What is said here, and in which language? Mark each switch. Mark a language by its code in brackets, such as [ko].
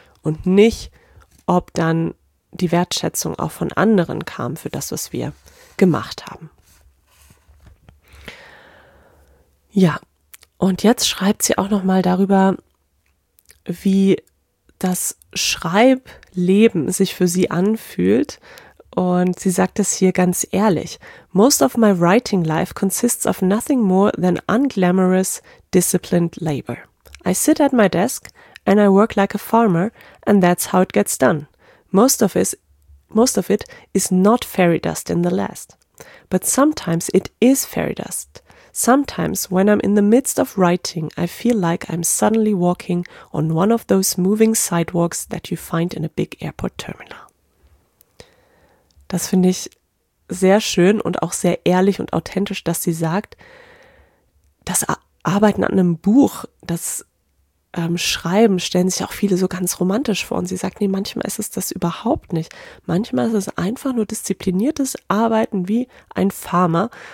[de] Und nicht, ob dann die Wertschätzung auch von anderen kam für das, was wir gemacht haben. Ja, und jetzt schreibt sie auch noch mal darüber, wie das Schreibleben sich für sie anfühlt. Und sie sagt es hier ganz ehrlich. [en] Most of my writing life consists of nothing more than unglamorous, disciplined labor. I sit at my desk and I work like a farmer and that's how it gets done. Most of it is not fairy dust in the last. But sometimes it is fairy dust. Sometimes when I'm in the midst of writing, I feel like I'm suddenly walking on one of those moving sidewalks that you find in a big airport terminal. [de] Das finde ich sehr schön und auch sehr ehrlich und authentisch, dass sie sagt, das Arbeiten an einem Buch, das Schreiben stellen sich auch viele so ganz romantisch vor. Und sie sagt, nee, manchmal ist es das überhaupt nicht. Manchmal ist es einfach nur diszipliniertes Arbeiten wie ein Farmer.